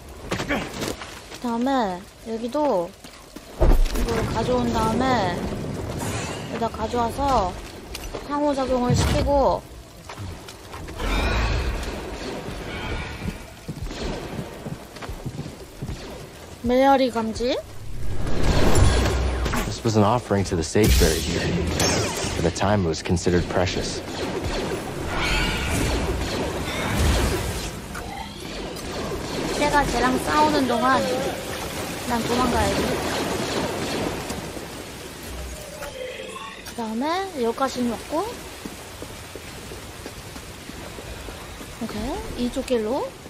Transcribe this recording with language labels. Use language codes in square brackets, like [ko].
[ko] 그 다음에, 여기도 이걸 가져온 다음에, 여기다 가져와서 상호작용을 시키고, 메아리 감지? [en] This was an offering to the sage buried here. At the time, it was considered precious. [ko] 쟤가 쟤랑 싸우는 동안 난 도망가야지. 그 다음에 여기까지 왔고, 오케이, 이쪽 길로.